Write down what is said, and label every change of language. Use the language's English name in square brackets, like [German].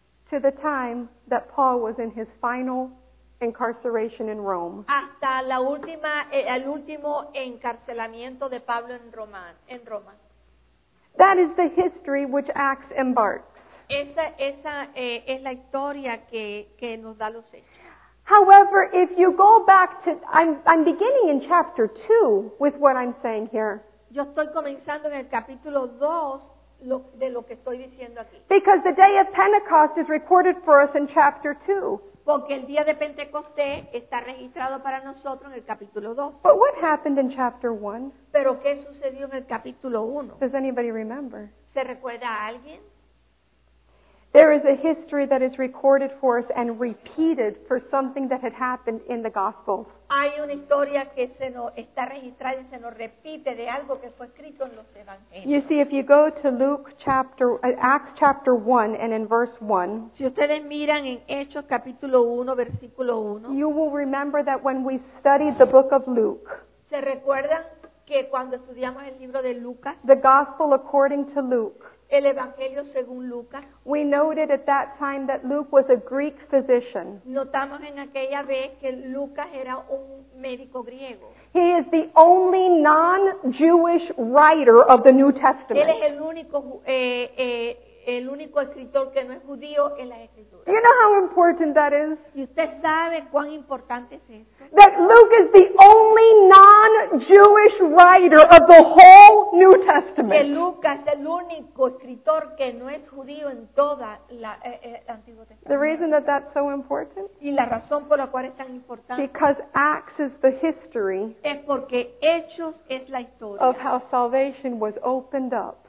[English] to the time that Paul was in his final incarceration in Rome. [Spanish] Hasta la última, el último encarcelamiento de Pablo en Roma. [English] That is the history which Acts embarks. [Spanish] Esa es la historia que nos da los hechos. [English] However, if you go back to, I'm beginning in chapter 2 with what I'm saying here. [Spanish] Yo estoy comenzando en el capítulo 2 de lo que estoy diciendo aquí. [English] Because the day of Pentecost is recorded for us in chapter 2. [Spanish] Porque el día de Pentecostés está registrado para nosotros en el capítulo 2. [English] But what happened in chapter 1? [Spanish] Pero ¿qué sucedió en el capítulo 1? [English] Does anybody remember? [Spanish] ¿Se recuerda a alguien? [English] There is a history that is recorded for us and repeated for something that had happened in the Gospels. [Spanish] Hay una historia que se nos está registrada y se nos repite de algo que fue escrito en los evangelios. [English] You see, if you go to Luke chapter, Acts chapter 1 and in verse 1, [Spanish] si ustedes miran en Hechos capítulo 1, versículo 1, [English] you will remember that when we studied the book of Luke, [Spanish] ¿se recuerdan que cuando estudiamos el libro de Lucas, [English] the Gospel according to Luke, [Spanish] el Evangelio según Lucas. [English] We noted at that time that Luke was a Greek physician. [Spanish] Notamos en aquella vez que Lucas era un médico griego. [English] He is the only non-Jewish writer of the New Testament. [Spanish] Él es el único escritor que no es judío en la Escritura. [English] You know how important that is? [Spanish] ¿Y usted sabe cuán importante es eso? [English] That Luke is the only non-Jewish writer of the whole New Testament. [Spanish] Que Lucas es el único escritor que no es judío en toda la Antiguo Testamento. [English] The reason that that's so important? [Spanish] Y la razón por la cual es tan importante. [English] Because Acts is the history. [Spanish] Es porque Hechos es la historia. [English] Of how salvation was opened up.